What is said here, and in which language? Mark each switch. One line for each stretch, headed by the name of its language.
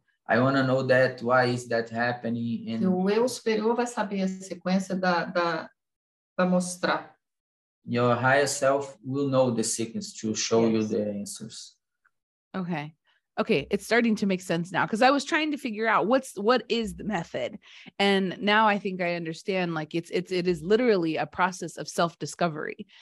English: I want to know that, why is that happening? And
Portuguese: o eu superior vai saber a sequência da mostrar.
English: Your higher self will know the sequence to show yes. you the answers. Okay. Okay, it's starting to make sense now because I was trying to figure out what is the method. And now I think I understand, like it is literally a process of self-discovery.